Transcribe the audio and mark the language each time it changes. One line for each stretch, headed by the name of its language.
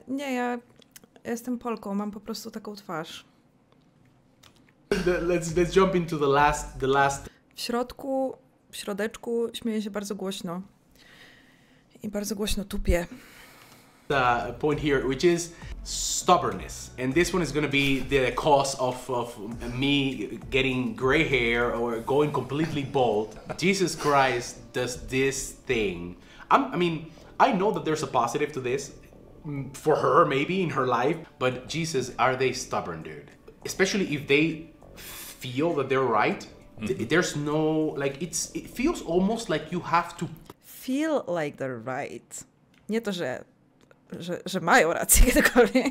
Polish: Nie, ja jestem Polką, mam po prostu taką twarz.
English: Let's jump into the last.
Polish: W środeczku śmieję się bardzo głośno. I bardzo głośno tupię.
English: The point here, which is stubbornness. And this one is going to be the cause of me getting gray hair or going completely bald. Jesus Christ, does this thing. I know that there's a positive to this, for her maybe, in her life, but Jesus, are they stubborn, dude? Especially if they feel that they're right, there's no, like, it feels almost like you have to... Feel like they're right.
Polish: Nie to, że mają rację, tylko...